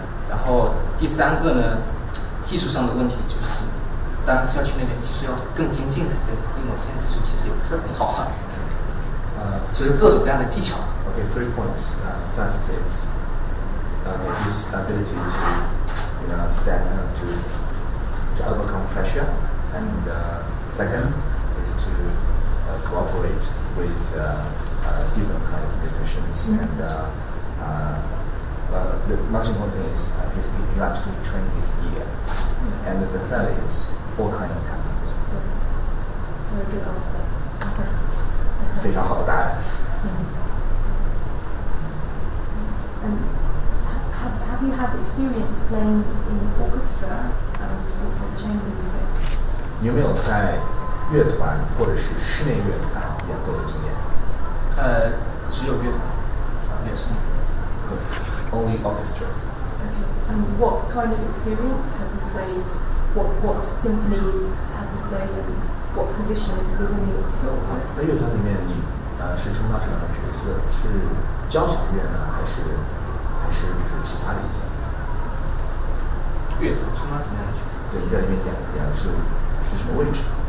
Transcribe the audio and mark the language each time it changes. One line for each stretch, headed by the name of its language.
Chinese: 然后第三个呢，技术上的问题就是，当然是要去那边技术要更精进才对，因为我之前技术其实也不是很好啊。就是各种各样的技巧。
English: Okay, three points. First is his ability to, you know, stand to overcome pressure, and second is to cooperate with different kind of musicians, and the most important thing is he likes to train his ear, and the third is all kind of techniques. Very good answer. Okay.
Chinese: 非常好的答案。
English: Have you had experience playing in orchestra and also chamber music?
Chinese: 你有没有在乐团或者是室内乐团演奏的经验？只有乐团，没有室内。
English: Only orchestra. Okay. And what kind of experience has you played? What symphonies has you played in? What position within the orchestra?
Chinese: 在乐团里面你是充当什么样的角色？是交响乐呢，还是就是其他的一些？乐团充当什么样的角色？对，你在里面演的是什么位置？